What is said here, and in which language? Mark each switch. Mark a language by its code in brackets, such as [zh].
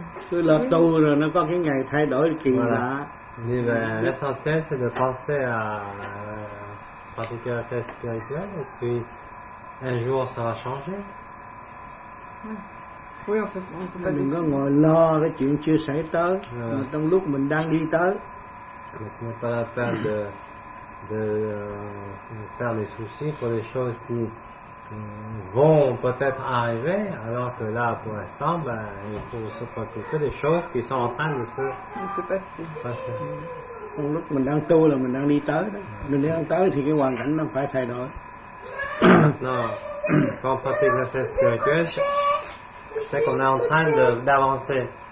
[vi] Tôi là tu rồi nó có cái ngày thay đổi kỳ lạ. Vì vậy, [fr] l'essentiel c'est de penser à pratiquer la sagesse spirituelle et puis un jour ça va changer. Oui, on peut pas décider. [vi] Đừng có ngồi lo cái chuyện chưa xảy tới, mà trong lúc mình đang đi tới. [fr] Mais ce n'est pas la peine de faire des soucis pour les choses qui vont peut-être arriver, alors que là, pour l'instant, ben, il faut se préoccuper des choses qui sont en train de se passer. [vi] Lúc mình đang tu là mình đang đi tới. Mình đang tới thì cái hoàn cảnh nó phải thay đổi. [fr] Non, quand on pratique la sagesse spirituelle, c'est qu'on est en train d'avancer.